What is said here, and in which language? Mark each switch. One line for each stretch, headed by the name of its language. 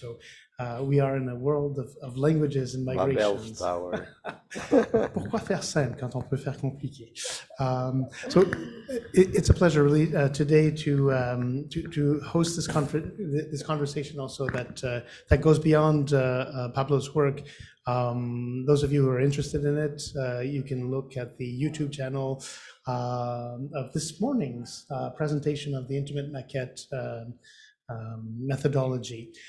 English: So we are in a world of languages and migrations. Ma belle power.
French: Pourquoi faire simple quand on peut faire compliqué?
English: So it's a pleasure really today to host this conversation also that goes beyond Pablo's work. Those of you who are interested in it, you can look at the YouTube channel of this morning's presentation of the intimate maquette methodology.